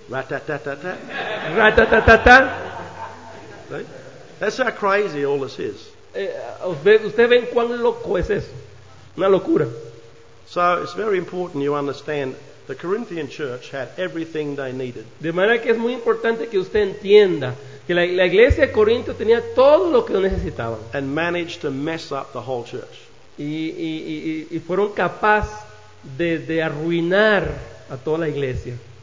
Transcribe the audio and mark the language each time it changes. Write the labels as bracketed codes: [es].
[en] Ratatatata. Ratatatata. That's how crazy all this is. [es] Usted ve cuán loco es eso. Una locura. [en] So it's very important you understand the Corinthian church had everything they needed. [es] De manera que es muy importante que usted entienda que la iglesia de Corinto tenía todo lo que necesitaba. [en] And managed to mess up the whole church. [es] Y fueron capaces de arruinar a toda la iglesia.